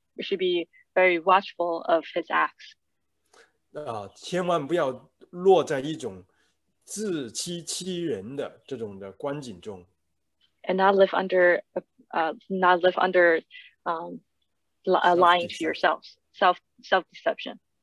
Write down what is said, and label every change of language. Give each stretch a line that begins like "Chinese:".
English: Should be very watchful of his acts.
Chinese: 千万不要落在一种自欺欺人的这种的光景中。
English: And not live under lying to yourselves, self deception.